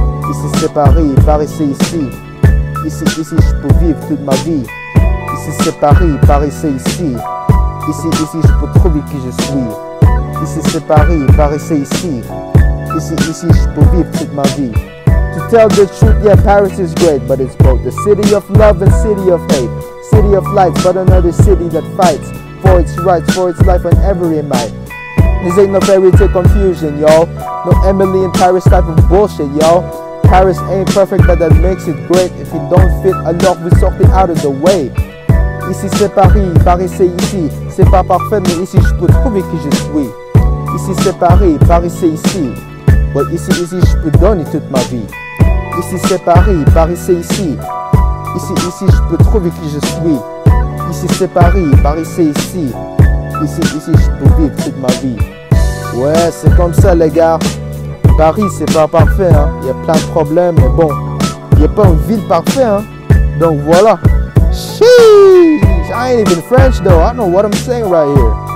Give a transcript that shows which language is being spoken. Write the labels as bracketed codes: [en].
[fr] Ici c'est Paris, Paris c'est ici. Ici je peux vivre toute ma vie. Ici c'est Paris, Paris c'est ici. Ici je peux trouver qui je suis. Ici c'est Paris, Paris c'est ici. Ici je peux vivre toute ma vie. [en] To tell the truth, yeah, Paris is great, but it's both the city of love and city of hate. City of lights, but another city that fights for its rights, for its life on every mind. This ain't no fairy tale confusion, y'all. No Emily in Paris type of bullshit, y'all. Paris ain't perfect, but that makes it great. If it don't fit, alors we sort it out of the way. [fr] Ici c'est Paris, Paris c'est ici. C'est pas parfait, mais ici je peux trouver qui je suis. Ici c'est Paris, Paris c'est ici. Well, ici je peux donner toute ma vie. Ici c'est Paris, Paris c'est ici. Ici je peux trouver qui je suis. Ici c'est Paris, Paris c'est ici. Ici je peux vivre toute ma vie. Ouais, c'est comme ça les gars. Paris c'est pas parfait, hein. Y'a plein de problèmes, mais bon. Y'a pas une ville parfaite, hein. Donc voilà. [en] Sheesh, I ain't even French though. I don't know what I'm saying right here.